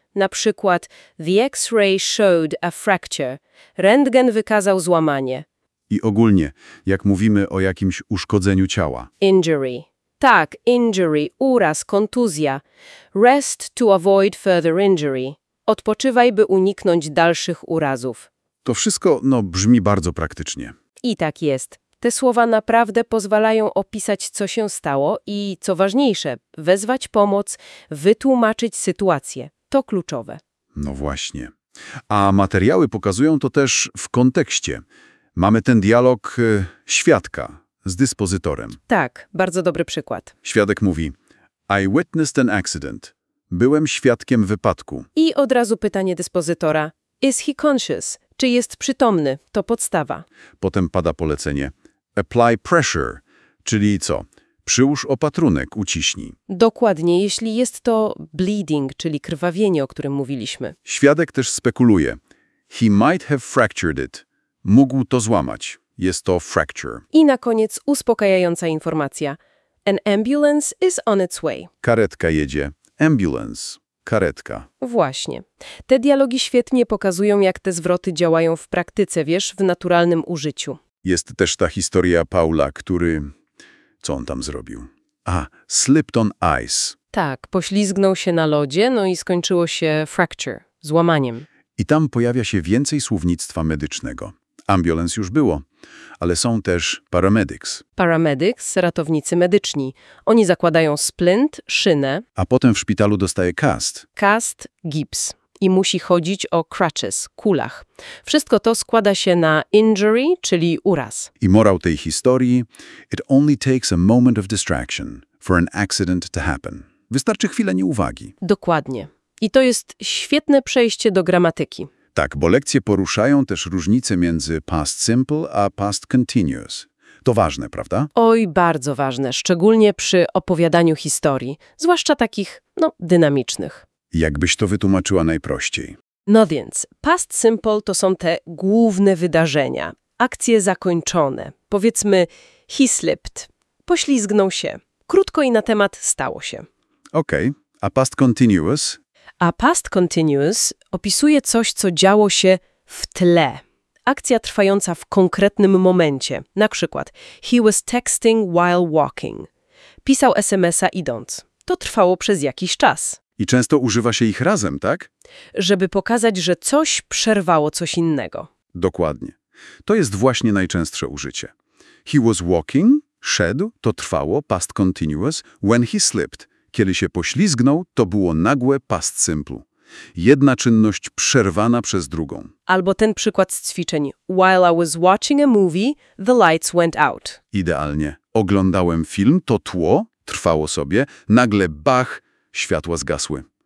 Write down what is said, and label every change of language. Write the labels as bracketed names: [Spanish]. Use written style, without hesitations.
[Polish] Na przykład [English] the x-ray showed a fracture. [Polish] Rentgen wykazał złamanie. I ogólnie, jak mówimy o jakimś uszkodzeniu ciała. Injury. Tak, injury, uraz, kontuzja. [English] Rest to avoid further injury. [Polish] Odpoczywaj, by uniknąć dalszych urazów. To wszystko, no, brzmi bardzo praktycznie. I tak jest. Te słowa naprawdę pozwalają opisać, co się stało i, co ważniejsze, wezwać pomoc, wytłumaczyć sytuację. To kluczowe. No właśnie. A materiały pokazują to też w kontekście. Mamy ten dialog świadka z dyspozytorem. Tak, bardzo dobry przykład. Świadek mówi, [English] I witnessed an accident. [Polish] Byłem świadkiem wypadku. I od razu pytanie dyspozytora. [English] Is he conscious? [Polish] Czy jest przytomny? To podstawa. Potem pada polecenie. [English] Apply pressure. [Polish] Czyli co? Przyłóż opatrunek, uciśnij. Dokładnie, jeśli jest to bleeding, czyli krwawienie, o którym mówiliśmy. Świadek też spekuluje. [English] He might have fractured it. [Polish] Mógł to złamać. Jest to fracture. I na koniec uspokajająca informacja. [English] An ambulance is on its way. [Polish] Karetka jedzie. Ambulance. Karetka. Właśnie. Te dialogi świetnie pokazują, jak te zwroty działają w praktyce, wiesz, w naturalnym użyciu. Jest też ta historia Paula, który... Co on tam zrobił? A, [English] slipped on ice. [Polish] Tak, poślizgnął się na lodzie, no i skończyło się fracture, złamaniem. I tam pojawia się więcej słownictwa medycznego. Ambulance już było, ale są też paramedics. Paramedics, ratownicy medyczni. Oni zakładają splint, szynę. A potem w szpitalu dostaje cast. Cast, gips. I musi chodzić o crutches, kulach. Wszystko to składa się na injury, czyli uraz. I morał tej historii. [English] It only takes a moment of distraction for an accident to happen. [Polish] Wystarczy chwilę nieuwagi. Dokładnie. I to jest świetne przejście do gramatyki. Tak, bo lekcje poruszają też różnice między past simple a past continuous. To ważne, prawda? Oj, bardzo ważne, szczególnie przy opowiadaniu historii, zwłaszcza takich, no, dynamicznych. Jakbyś to wytłumaczyła najprościej? No więc, past simple to są te główne wydarzenia, akcje zakończone. Powiedzmy, [English] he slipped, [Polish] poślizgnął się, krótko i na temat stało się. Okej, okay. A past continuous? A past continuous opisuje coś, co działo się w tle. Akcja trwająca w konkretnym momencie. Na przykład, [English] he was texting while walking. [Polish] Pisał SMS-a idąc. To trwało przez jakiś czas. I często używa się ich razem, tak? Żeby pokazać, że coś przerwało coś innego. Dokładnie. To jest właśnie najczęstsze użycie. [English] He was walking, [Polish] szedł, to trwało, [English] past continuous, when he slipped. [Polish] Kiedy się poślizgnął, to było nagłe past simple. Jedna czynność przerwana przez drugą. Albo ten przykład z ćwiczeń. [English] While I was watching a movie, the lights went out. [Polish] Idealnie. Oglądałem film, to tło trwało sobie, nagle bach, światła zgasły.